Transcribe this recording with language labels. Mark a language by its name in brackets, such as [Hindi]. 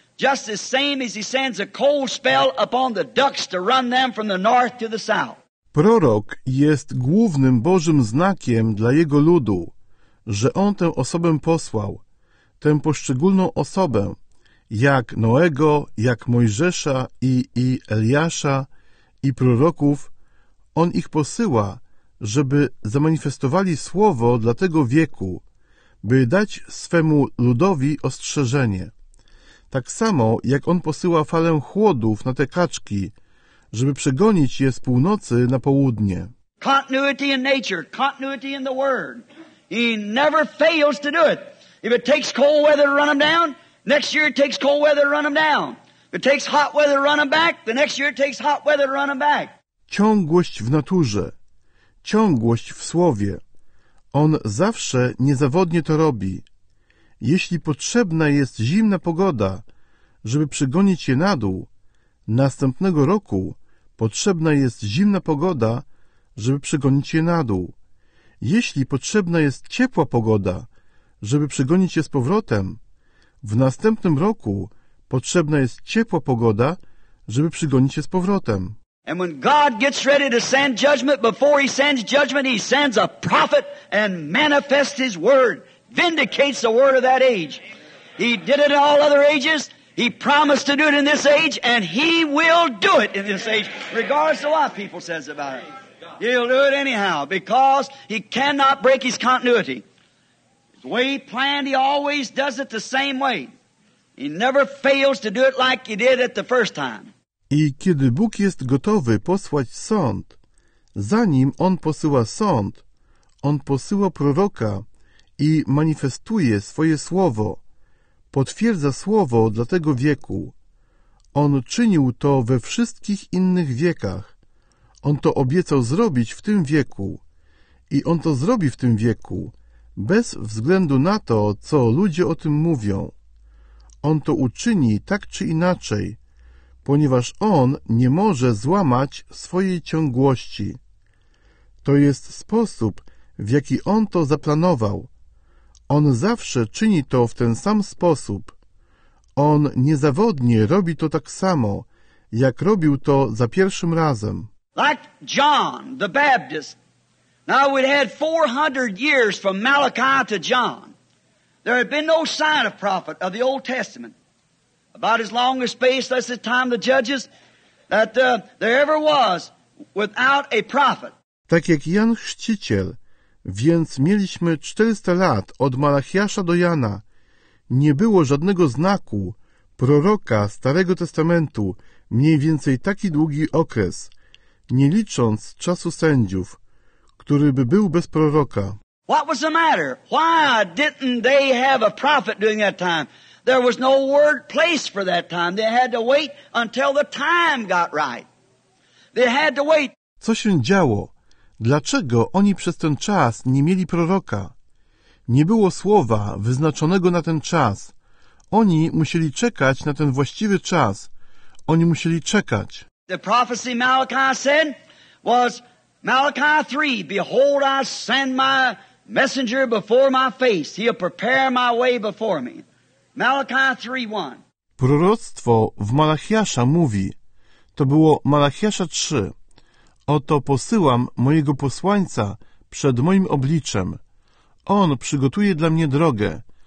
[English] Just the same as He sends a cold spell upon the ducks to run them from the north to the south. [Polish] Prorok jest głównym Bożym znakiem dla Jego ludu, że On tę osobę posłał, tę poszczególną osobę, jak Noego, jak Mojżesza i Eliasza i proroków. On ich posyła, żeby zamanifestowali słowo dla tego wieku, by dać swemu ludowi ostrzeżenie. Tak samo, jak On posyła falę chłodów na te kaczki, żeby przegonić je z północy na południe. [English] Continuity in nature, continuity in the Word. He never fails to do it. If it takes cold weather to run them down, next year it takes cold weather to run them down. If it takes hot weather to run them back, the next year it takes hot weather to run them back. [Polish] Ciągłość w naturze, ciągłość w Słowie. On zawsze niezawodnie to robi. Jeśli potrzebna jest zimna pogoda, żeby przygonić je na dół, następnego roku potrzebna jest zimna pogoda, żeby przygonić je na dół. Jeśli potrzebna jest ciepła pogoda, żeby przygonić je z powrotem, w następnym roku potrzebna jest ciepła pogoda, żeby przygonić je z powrotem. [English] And when God gets ready to send judgment, before He sends judgment, He sends a prophet and manifests His word. Vindicates the word of that age. He did it in all other ages. He promised to do it in this age, and He will do it in this age, regardless of what people says about it. He'll do it anyhow, because He cannot break His continuity. The way He planned, He always does it the same way. He never fails to do it like He did it the first time. [Polish] I kiedy Bóg jest gotowy posłać sąd, zanim On posyła sąd, On posyła proroka, i manifestuje swoje słowo, potwierdza słowo dla tego wieku. On czynił to we wszystkich innych wiekach. On to obiecał zrobić w tym wieku. I On to zrobi w tym wieku, bez względu na to, co ludzie o tym mówią. On to uczyni tak czy inaczej, ponieważ On nie może złamać swojej ciągłości. To jest sposób, w jaki On to zaplanował. On zawsze czyni to w ten sam sposób. On niezawodnie robi to tak samo, jak robił to za pierwszym razem. [English] Like John the Baptist. Now we'd had 400 years from Malachi to John. There had been no sign of prophet of the Old Testament. About as long a space as the time the judges that there ever was without a prophet. [Polish] Tak jak Jan Chrzciciel, więc mieliśmy 400 lat od Malachiasza do Jana. Nie było żadnego znaku proroka Starego Testamentu, mniej więcej taki długi okres, nie licząc czasu sędziów, który by był bez proroka. [English] What was the matter? Why didn't they have a prophet during that time? There was no word place for that time. They had to wait until the time got right. They had to wait. [Polish] Co się działo? Dlaczego oni przez ten czas nie mieli proroka? Nie było słowa wyznaczonego na ten czas. Oni musieli czekać na ten właściwy czas. Oni musieli czekać. [English] The prophecy Malachi said was Malachi 3, Behold, I send my messenger before my face. He'll prepare my way before me. Malachi 3:1. [Polish] Proroctwo w Malachiasza mówi, to było Malachiasza 3. Oto posyłam mojego posłańca przed moim obliczem. On przygotuje dla mnie drogę.